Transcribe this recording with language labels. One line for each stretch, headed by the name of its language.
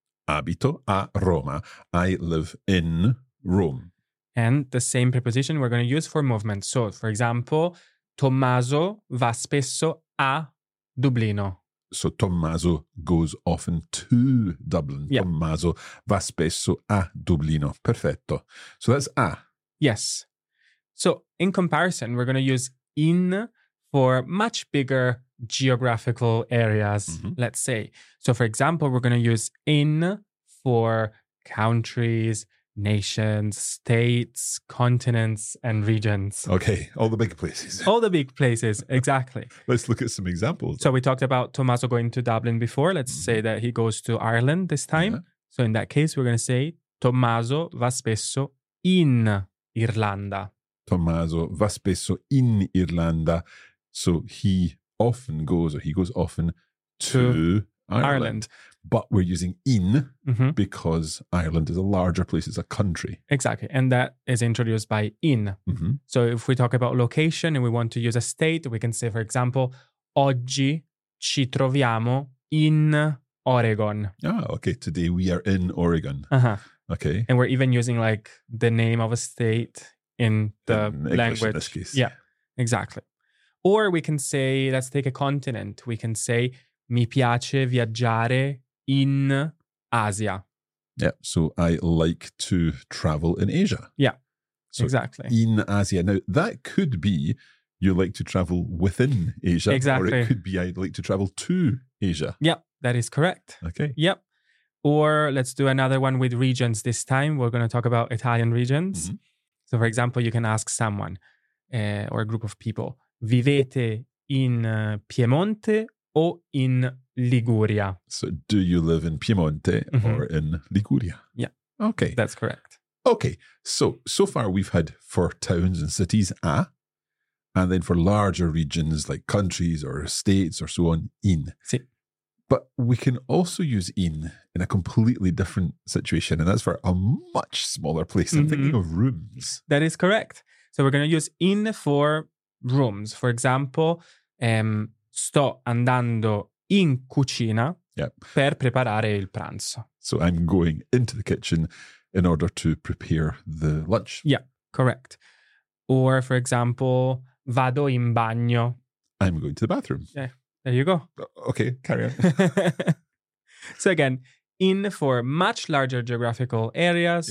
Italian: Abito a Roma.
English: I live in Rome. And the same preposition we're going to use for movement. So, for example,
Italian: Tommaso va spesso a Dublino.
English: So Tommaso goes often to Dublin. Yep.
Italian: Tommaso va spesso a Dublino. Perfetto.
English: So that's a. Yes. So in comparison, we're going to use in for much bigger geographical areas, mm-hmm. let's say. So for example, we're going to use in for countries, nations, states, continents, and regions. Okay, all the big places. All the big places, exactly. Let's look at some examples. So we talked about Tommaso going to Dublin before. Let's mm-hmm. say that he goes to Ireland this time. Yeah. So in that case, we're going to say
Italian: Tommaso va spesso in Irlanda. Tommaso va spesso in Irlanda.
English: So he often goes, or he goes often to Ireland. Ireland. But we're using in mm-hmm. because Ireland is a larger place. It's a country. Exactly. And that is introduced by in. Mm-hmm. So if we talk about location and we want to use a state, we can say, for example,
Italian: oggi ci troviamo in Oregon.
English: Ah, okay. Today we are in Oregon. Uh-huh. Okay. And we're even using like the name of a state in the English language. In this case. Yeah, exactly. Or we can say, let's take a continent. We can say,
Italian: mi piace viaggiare in Asia.
English: Yeah, so I like to travel in Asia. Yeah, so exactly. In Asia. Now, that could be you like to travel within Asia. Exactly. Or it could be I'd like to travel to Asia. Yeah, that is correct. Okay. Yep. Or let's do another one with regions this time. We're going to talk about Italian regions. Mm-hmm. So, for example, you can ask someone or a group of people,
Italian: vivete in Piemonte o in Liguria?
English: So, do you live in Piemonte mm-hmm. or in Liguria? Yeah. Okay. That's correct. Okay. So far we've had for towns and cities, a, and then for larger regions like countries or states or so on, in.
Italian: Si.
English: But we can also use in a completely different situation, and that's for a much smaller place. Mm-hmm. I'm thinking of rooms. That is correct. So, we're going to use in for rooms. For example,
Italian: sto andando in cucina
English: yep.
Italian: per preparare il pranzo.
English: So I'm going into the kitchen in order to prepare the lunch. Yeah, correct. Or for example,
Italian: vado in bagno.
English: I'm going to the bathroom. Yeah, there you go. Okay, carry on. So again, in for much larger geographical areas